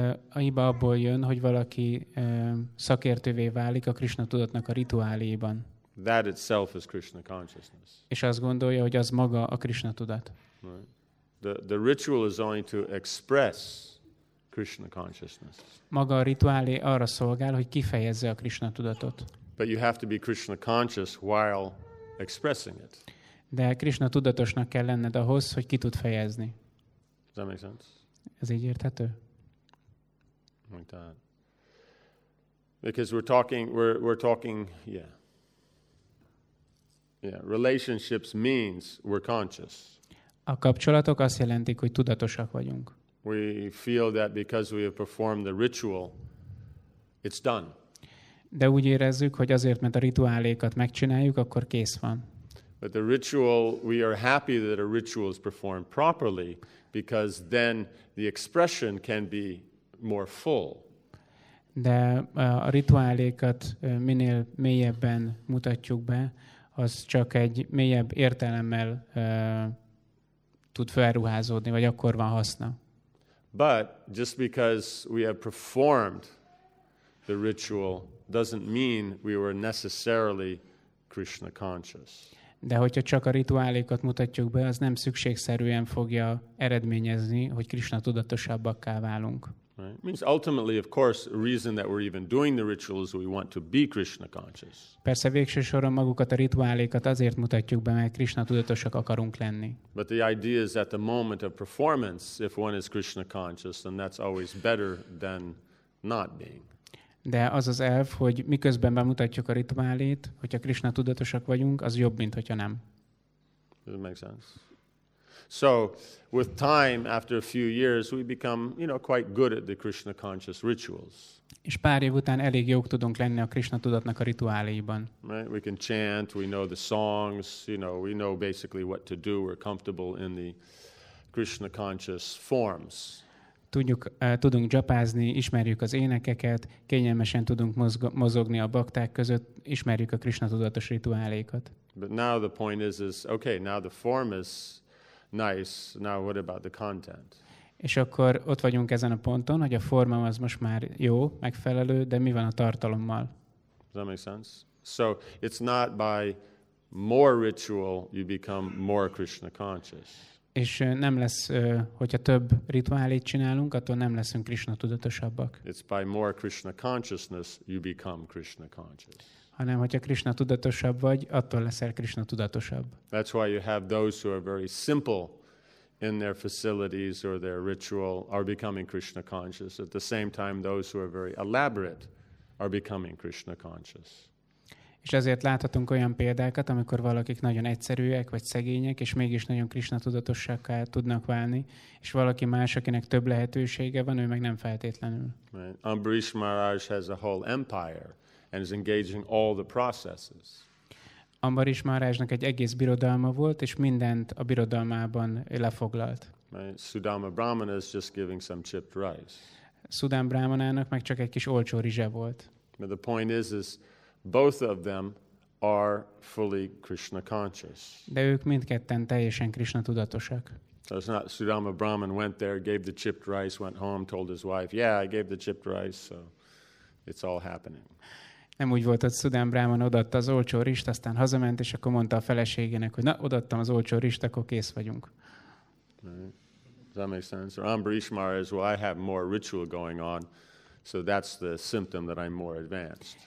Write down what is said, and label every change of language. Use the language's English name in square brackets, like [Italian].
[Hungarian] A hiba abból jön, hogy valaki szakértővé válik a Krishna tudatnak a rituáléiban. [English] That itself is Krishna consciousness. [Hungarian] És azt gondolja, hogy az maga a Krishna tudat. [English] Right. The ritual is only to express Krishna consciousness. [Hungarian] Maga a rituálé arra szolgál, hogy kifejezze a Krishna tudatot. [English] But you have to be Krishna conscious while expressing it. [Hungarian] De Krishna tudatosnak kell lenned ahhoz, hogy ki tud fejezni. [English] Does that make sense? [Hungarian] Ez így érthető? [English] Like that. Because we're talking, yeah. Yeah, relationships means we're conscious. [Hungarian] A kapcsolatok azt jelentik, hogy tudatosak vagyunk. [English] We feel that because we have performed the ritual, it's done. [Hungarian] De úgy érezzük, hogy azért, mert a rituálékat megcsináljuk, akkor kész van. [English] But the ritual, we are happy that a ritual is performed properly, because then the expression can be more full. [Hungarian] De a rituálékat minél mélyebben mutatjuk be, az csak egy mélyebb értelemmel tud felruházódni, vagy akkor van haszna. [English] But just because we have performed the ritual doesn't mean we were necessarily Krishna conscious. [Hungarian] De hogyha csak a rituálékat mutatjuk be, az nem szükségszerűen fogja eredményezni, hogy Krishna tudatosabbakká válunk. [English] Right. Means ultimately, of course, the reason that we're even doing the ritual is we want to be Krishna conscious. [Hungarian] Persze végső soron magukat a rituálékat azért mutatjuk be, mert Krishna tudatosak akarunk lenni. [English] But the idea is at the moment of performance, if one is Krishna conscious, then that's always better than not being. [Hungarian] De az az elv, hogy miközben bemutatjuk a rituálét, hogyha Krishna tudatosak vagyunk, az jobb, mint hogyha nem. [English] Does it make sense? So, with time, after a few years, we become, you know, quite good at the Krishna conscious rituals. [Hungarian] És pár év után elég jók tudunk lenni a Krishna tudatnak a rituáléiban. [English] Right? We can chant, we know the songs, you know, we know basically what to do, we're comfortable in the Krishna conscious forms. [Hungarian] tudunk japázni, ismerjük az énekeket, kényelmesen tudunk mozogni a bakták között, ismerjük a Krishna tudatos rituálékat. [English] But now the point is okay, now the form is nice, now what about the content? [Hungarian] És akkor ott vagyunk ezen a ponton, hogy a forma az most már jó, megfelelő, de mi van a tartalommal? [English] Does that make sense? So it's not by more ritual you become more Krishna conscious. [Hungarian] És nem lesz, hogyha több rituálét csinálunk, attól nem leszünk Krishna tudatosabbak. [English] It's by more Krishna consciousness you become Krishna conscious. [Hungarian] Hanem hogyha Krishna tudatosabb vagy, attól leszel Krishna tudatosabb. [English] That's why you have those who are very simple in their facilities or their ritual are becoming Krishna conscious. At the same time, those who are very elaborate are becoming Krishna conscious. [Hungarian] És ezért láthatunk olyan példákat, amikor valakik nagyon egyszerűek vagy szegények, és mégis nagyon Krishna tudatossággá tudnak válni, és valaki más, akinek több lehetősége van, ő meg nem feltétlenül. [English] Right. Ambarish Maharaj has a whole empire and is engaging all the processes. [Hungarian] Ambarish Maharajnak egy egész birodalma volt, és mindent a birodalmában lefoglalt. [English] Right. Sudama Brahmana is just giving some chipped rice. [Hungarian] Sudam Brahmanának meg csak egy kis olcsó rizse volt. [English] But the point is both of them are fully Krishna conscious. [Hungarian] De ők mindketten teljesen Krishna tudatosak. [English] So it's not Sudama Brahman went there, gave the chipped rice, went home, told his wife, yeah, I gave the chipped rice, so it's all happening. [Hungarian] Nem úgy volt, hogy Sudama Brahman odaadta az olcsó rizst, aztán hazament, és akkor mondta a feleségének, hogy na, odaadtam az olcsó rizst, akkor kész vagyunk. [English] Right. Does that make sense? Or Ambarish Maharaj is, well, I have more ritual going on, so that's the symptom that I'm more advanced.